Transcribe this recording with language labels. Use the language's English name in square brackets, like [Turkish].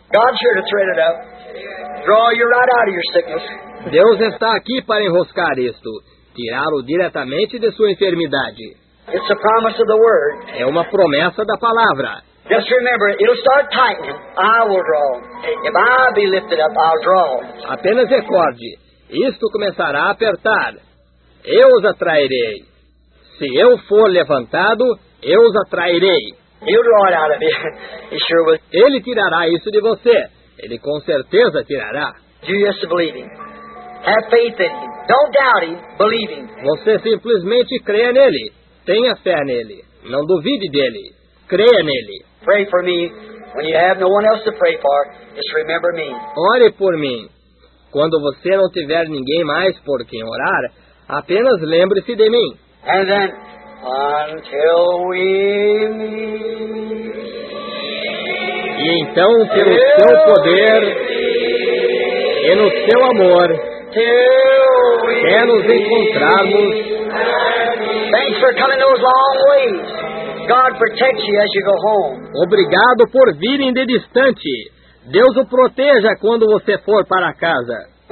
[English] God's here to thread it up. Draw you right out of your sickness. [Portuguese] Deus está aqui para enroscar isto, tirá-lo diretamente de sua enfermidade. [English] It's a promise of the word. [Portuguese] É uma promessa da palavra. [English] Just remember, it'll start tightening. I will draw. If I be lifted up, I'll draw. [Portuguese] Apenas recorde, isto começará a apertar. Eu os atrairei. Se eu for levantado, eu os atrairei. [English] He'll draw it out of you. He sure will. [Portuguese] Ele tirará isso de você. Ele com certeza tirará. [English] You just believe him. Have faith in him. Don't doubt him. Believe him. [Portuguese] Você simplesmente crê nele. Tenha fé nele. Não duvide dele. Creia nele. [English] Pray for me. When you have no one else to pray for, just remember me. [Portuguese] Ore por mim. Quando você não tiver ninguém mais por quem orar, apenas lembre-se de mim. [English] And then, until we meet. [Portuguese] E então, pelo seu poder e no seu amor, até nos encontrarmos. [English] Thanks for coming those long ways. God protects you as you go home. [Portuguese] Obrigado por virem de distante. Deus o proteja quando você for para casa.